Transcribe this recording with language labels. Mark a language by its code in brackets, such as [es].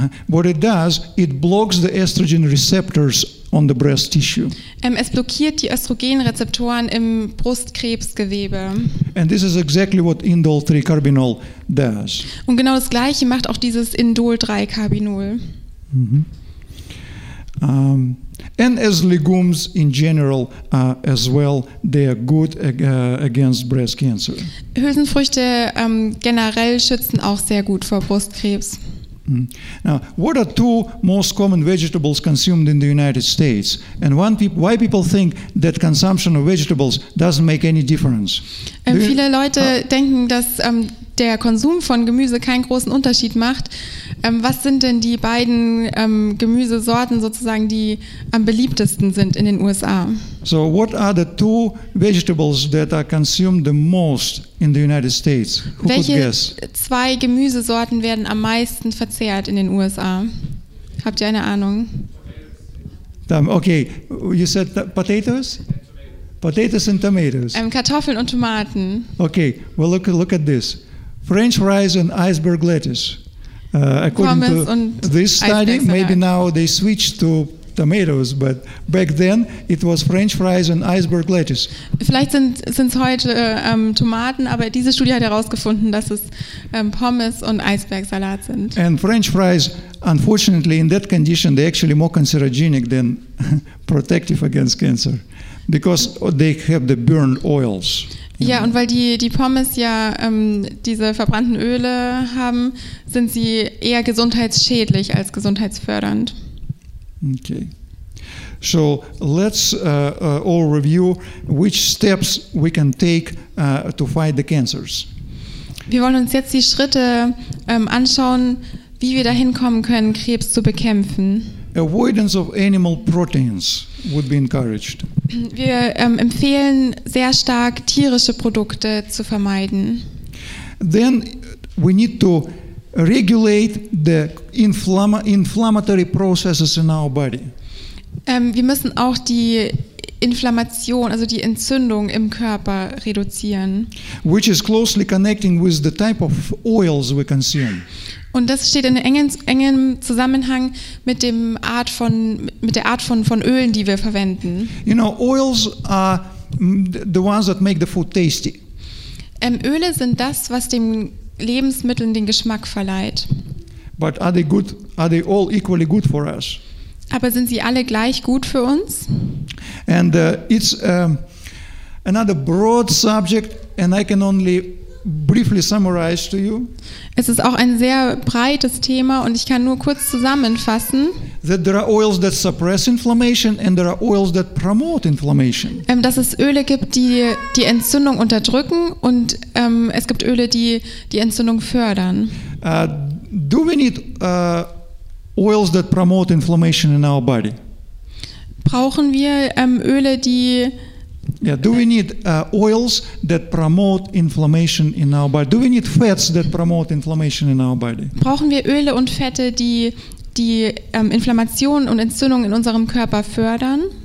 [en] What it does, it blocks the estrogen receptors on the breast tissue. [de] Es blockiert die Östrogenrezeptoren im Brustkrebsgewebe. [en] And this is exactly what indole-3-carbinol does. [de] Und genau das Gleiche macht auch dieses Indole-3-Carbinol. Mm-hmm. [en] And as legumes in general as well, they are good against breast cancer. [de] Hülsenfrüchte generell schützen auch sehr gut vor Brustkrebs. [en] Now, what are two most common vegetables consumed in the United States? And why people think that consumption of vegetables doesn't make any difference? [de] Viele Leute denken, dass der Konsum von Gemüse keinen großen Unterschied macht. Was sind denn die beiden Gemüsesorten sozusagen, die am beliebtesten sind in den USA? [en] So, what are the two vegetables that are consumed the most in the United States? Who [de] Welche [en] could guess? [de] Zwei Gemüsesorten werden am meisten verzehrt in den USA? Habt ihr eine Ahnung? [en] Okay, you said potatoes? Potatoes and tomatoes. [de] Kartoffeln und Tomaten. [en] Okay, well look at this. French fries and iceberg lettuce. According [de] Pommes [en] to this study, [de] Eisbergs [en] maybe now they switch to tomatoes, but back then it was French fries and iceberg lettuce. [de] Vielleicht sind es heute Tomaten, aber diese Studie hat herausgefunden, dass es Pommes und Eisbergsalat sind. [en] And French fries, unfortunately, in that condition, they're actually more carcinogenic than protective against cancer, because they have the burned oils. [de] Ja, und weil die Pommes ja diese verbrannten Öle haben, sind sie eher gesundheitsschädlich als gesundheitsfördernd. [en] Okay. So let's all review which steps we can take to fight the cancers. [de] Wir wollen uns jetzt die Schritte anschauen, wie wir dahin kommen können, Krebs zu bekämpfen. [en] Avoidance of animal proteins would be encouraged. [de] Wir empfehlen sehr stark, tierische Produkte zu vermeiden. [en] Then we need to regulate the inflammatory processes in our body. [de] Wir müssen auch die Inflammation, also die Entzündung im Körper reduzieren. [en] Which is closely connecting with the type of oils we consume. [de] Und das steht in engem Zusammenhang mit dem Art von mit der Art von Ölen, die wir verwenden. [en] You know, oils are the ones that make the food tasty. [de] Öle sind das, was dem Lebensmitteln den Geschmack verleiht. [en] But are they good? Are they all equally good for us? [de] Aber sind sie alle gleich gut für uns? [en] And it's another broad subject, and I can only briefly summarize to you. [de] Es ist auch ein sehr breites Thema und ich kann nur kurz zusammenfassen. [en] That there are oils that suppress inflammation and there are oils that promote inflammation. [de] Dass es Öle gibt, die Entzündung unterdrücken und es gibt Öle, die Entzündung fördern. [en] Do we need oils that promote inflammation in our body? [de] Brauchen wir Öle, die [en] Do we need oils that promote inflammation in our body? Do we need fats that promote inflammation in our body? [de] Brauchen wir Öle und Fette, die Inflammation und Entzündung in unserem Körper fördern?